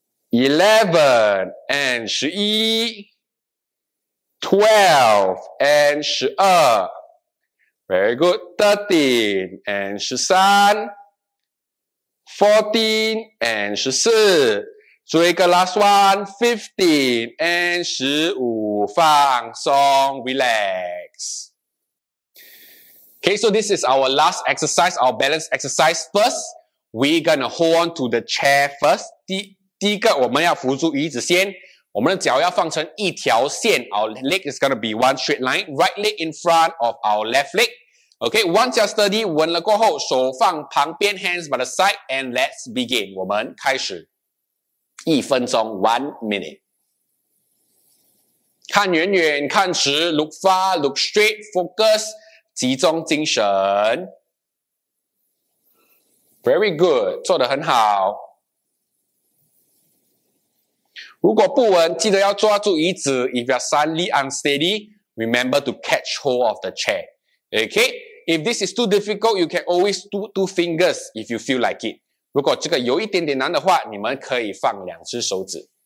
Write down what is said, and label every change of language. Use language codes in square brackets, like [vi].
[en] eleven and 十一 twelve and 十二 very good, 13 and 十三14 and 14, [zh] 做一个 [en] last one, 15 and 15, [zh] 放松 [en] relax. Okay, so this is our last exercise, our balance exercise first. We're gonna hold on to the chair first. [zh] 第一个我们要扶住椅子先。我们的脚要放成一条线。 [en] Our leg is gonna be one straight line, right leg in front of our left leg. Okay, once you're steady, [zh] 稳了过后，手放旁边 [en] ，hands by the side, and let's begin. [zh] 我们开始，一分钟 ， [en] one minute. [zh] 看远远，看直 [en] ，look far, look straight, focus, [zh] 集中精神。 [en] Very good, [zh] 做得很好。如果不稳，记得要抓住椅子。 [en] If you're suddenly unsteady, remember to catch hold of the chair. Okay? If this is too difficult, you can always do two fingers if you feel like it. [zh] 如果这个有一点点难的话，你们可以放两只手指。